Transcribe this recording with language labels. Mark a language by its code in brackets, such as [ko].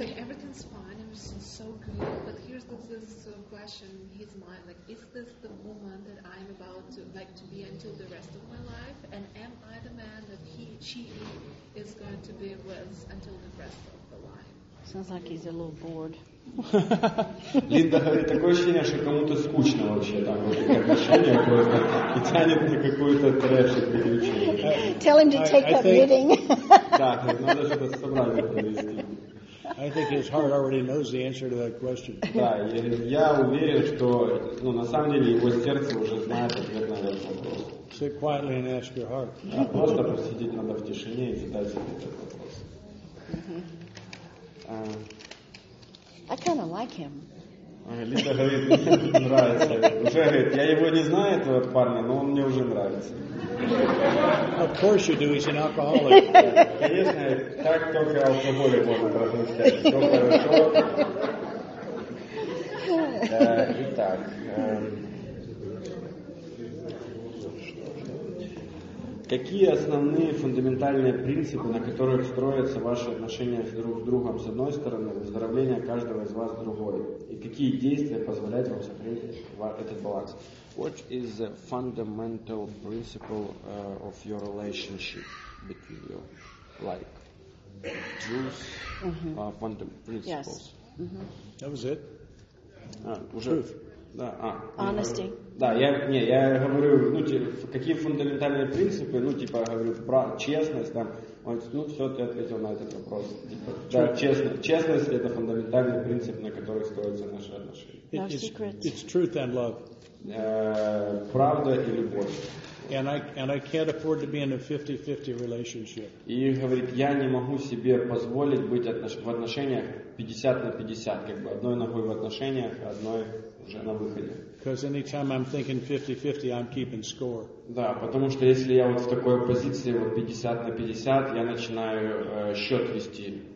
[en] Like, everything's fine, everything's so good, but here's this question in his mind, like, is this the woman that I'm about to, like, to be until the rest of my life? And am I the man that she is going to be with until the rest of the life? Sounds like he's a little bored. [ru] Линда говорит, такое ощущение, что кому-то скучно вообще там отношения просто и тянет на какую-то трэш и приключение. [en] Tell him to take up knitting. [ru] Да, надо что-то собрать провести. [en] I think his heart already knows the answer to that question. [ru] Да, я уверен, что ну на самом деле его сердце уже знает ответ на этот вопрос. [en] Sit quietly and ask your heart. [ru] Да, просто посидеть надо в тишине и задать себе этот вопрос. [en] I kind of like him. [ru] Линда говорит, мне нравится. Уже говорит, я его не знаю, этого парня, но он мне уже нравится. [en] Of course you do, he's an alcoholic. [ru] Конечно, так только алкоголь можно пропускать. Все хорошо. Итак. Какие основные фундаментальные принципы, на которых строятся ваши отношения друг с другом, с одной стороны, выздоровление каждого из вас с другой? И какие действия позволяют вам сохранить этот баланс? [en] What is the fundamental principle of your relationship between you? Like, truth, fundamental principles. Yes. Mm-hmm. That was it. [ru] Уже... [en] Truth. [ru] Да, [en] honesty. [ru] Я говорю, ну, типа, какие фундаментальные принципы, ну, типа, говорю, честность, там, он говорит, ну, все, ты ответил на этот вопрос. Типа, да, честность – это фундаментальный принцип, на который строятся наши отношения. [en] It's truth and love. [ru] Правда и любовь. [en] And I can't afford to be in a 50-50 relationship. [ru] И говорит, я не могу себе позволить быть в отношениях 50 на 50, как бы одной ногой в отношениях, одной уже на выходе. [en] Because anytime I'm thinking 50-50, I'm keeping score. [ru] Да, потому что если я вот в такой позиции вот 50 на 50, я начинаю счет вести.